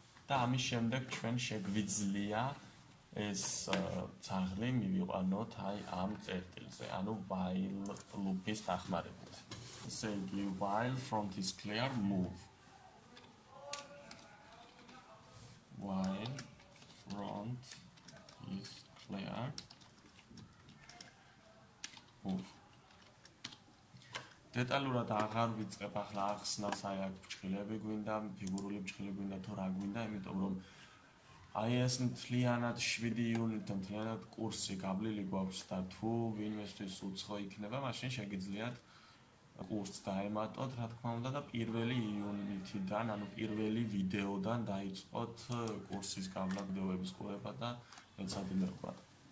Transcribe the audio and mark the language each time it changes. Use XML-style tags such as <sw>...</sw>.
<ka>და ამის შემდეგ ჩვენ შეგვიძლია ეს ძაღლი მივიყვანოთ აი ამ წერტილზე, ანუ while loop-ის დახმარებით. ესე იგი</ka> <en>while front is clear move. While front is clear move.</en> <ka>დეტალურად აღარ ვიწყებ ახლა ახსნას აი აქ ფრჩხილები გვინდა, ფიგურული ფრჩხილები გვინდა თუ რა გვინდა, იმიტომ რომ აი ეს მთლიანად 7 იუნიტი, მთლიანად კურსი გავლილი გვაქვს და თუ ვინმესთვის უცხო იქნება, მაშინ შეგიძლიათ კურს დაემატოთ, რა თქმა უნდა, და პირველი იუნიტიდან, ანუ პირველი ვიდეოდან დაიწყოთ კურსის გავლა, ვიდეოების ყურება და ეცადინებოდა.</ka>